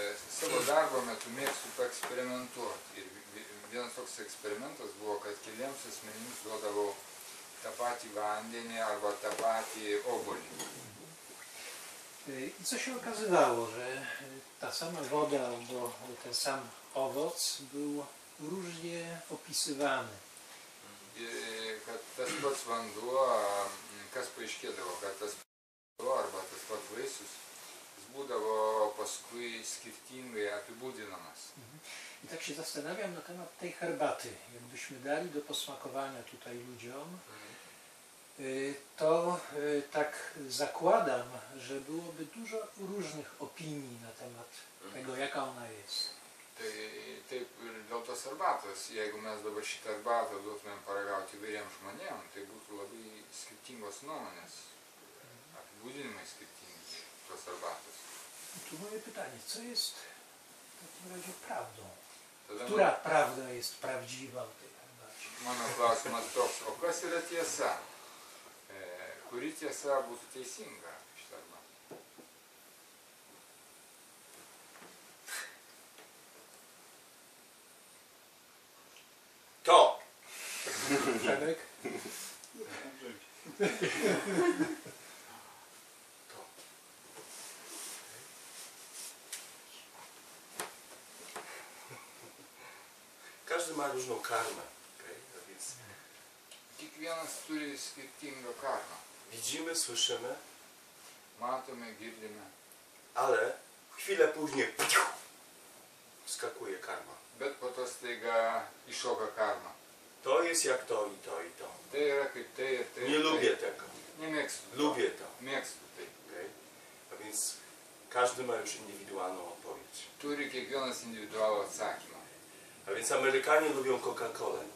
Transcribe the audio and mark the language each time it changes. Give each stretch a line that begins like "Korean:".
Lithuanian: Savo darbo metu mėgstu eksperimentuoti. Ir vienas toks eksperimentas buvo, kad keliems asmenims duodavau tą patį vandenį arba tą patį obolį.
Polish: I co się okazywało, że ta sama woda albo ten sam owoc był różnie opisywany.
Lithuanian: Tas pats vanduo, kas paaiškėdavo, kad tas vanduo arba tas pats vaisius būdavo paskui skirtingai apibūdinamas.
Polish: I tak się zastanawiam na temat tej herbaty. Jakbyśmy dali do posmakowania tutaj ludziom, to tak zakładam, że byłoby dużo różnych opinii na temat tego, jaka ona jest.
Lithuanian: Taip, ir dėl tos arbatos, jeigu mes dabar šitą arbatą duotumėm paragauti įvairiem žmonėm, tai būtų labai skirtingos nuomonės, apibūdinimai skirtingi tos arbatos.
Polish: Tu moje pytanie, co jest w takim razie prawdą? Która prawda jest prawdziwa w tej arbacie?
Lithuanian: Mano klausimas toks, o kas yra tiesa? Kuri tiesa būtų teisinga?
Polish: Każdy ma różną karmę.
Lithuanian: Kiekvienas turi skirtingą karmę.
Polish: Widzimy, słyszymy.
Lithuanian: Matome, girdime.
Polish: Ale chwilę później skakuje karma.
Lithuanian: Bet po to staiga išoka karma.
Polish: To jest jak to i to i to.
Lithuanian: Tai yra kaip tai ir tai.
Polish: Nie lubię tego.
Lithuanian: Nie mėgstu.
Polish: Lubię to.
Lithuanian: Mėgstu tai. Okay.
Polish: A więc każdy ma już indywidualną odpowiedź.
Lithuanian: Turi kiekvienas indywidualną atsakymą.
Polish: A więc Amerykanie lubią Coca-Colę.